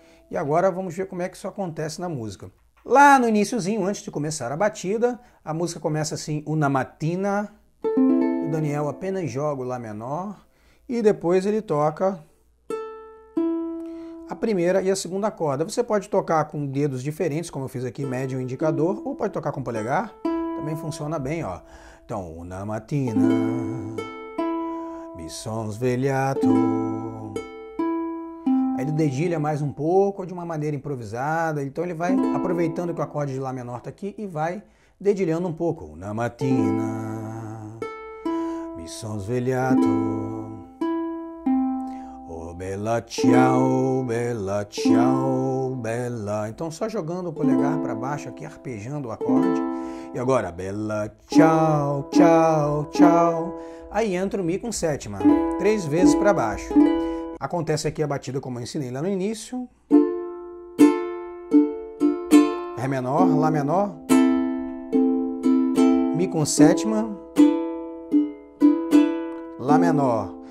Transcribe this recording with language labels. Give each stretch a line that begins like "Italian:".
Portuguese: E agora vamos ver como é que isso acontece na música. Lá no iniciozinho, antes de começar a batida, a música começa assim,
Italian: una mattina,
Portuguese: O Daniel apenas joga o Lá menor e depois ele toca a primeira e a segunda corda. Você pode tocar com dedos diferentes, como eu fiz aqui, médio e indicador, ou pode tocar com polegar. Também funciona bem, ó. Então,
Italian: una mattina mi son svegliato.
Portuguese: Aí ele dedilha mais um pouco, de uma maneira improvisada. Então, ele vai aproveitando que o acorde de Lá menor está aqui e vai dedilhando um pouco.
Italian: Una mattina mi son svegliato. Oh, bella ciao, bella ciao, bella.
Portuguese: Então, só jogando o polegar para baixo aqui, arpejando o acorde. E agora,
Italian: bella ciao, ciao, ciao.
Portuguese: Aí entra o Mi com sétima, três vezes para baixo. Acontece aqui a batida como eu ensinei lá no início: Ré menor, Lá menor, Mi com sétima, Lá menor.